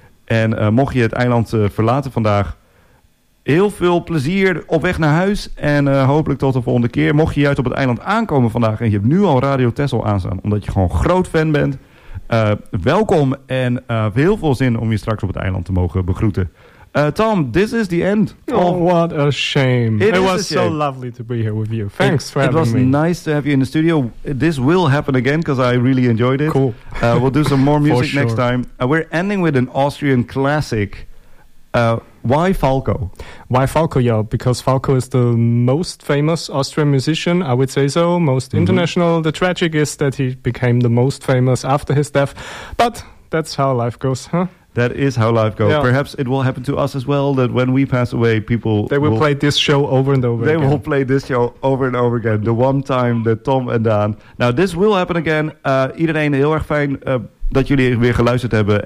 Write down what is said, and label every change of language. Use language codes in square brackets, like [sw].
[nl] En mocht je het eiland verlaten vandaag, heel veel plezier op weg naar huis. En hopelijk tot de volgende keer. Mocht je juist op het eiland aankomen vandaag en je hebt nu al Radio Texel aanstaan, omdat je gewoon groot fan bent, welkom en heel veel zin om je straks op het eiland te mogen begroeten. [en] Tom, this is the end. Oh, what a shame. It was so lovely to be here with you. Thanks for having me. It was nice to have you in the studio. This will happen again because I really enjoyed it. Cool. We'll do some more music next time. We're ending with an Austrian classic. Why Falco? Why Falco, yeah. Because Falco is the most famous Austrian musician, I would say so. Most international. The tragic is that he became the most famous after his death. But that's how life goes, huh? That is how life goes. Yeah. Perhaps it will happen to us as well, that when we pass away, people... They will play this show over and over again. They will play this show over and over again. The one time that Tom and Daan... Now, this will happen again. [nl] Iedereen, heel erg fijn dat jullie weer geluisterd hebben.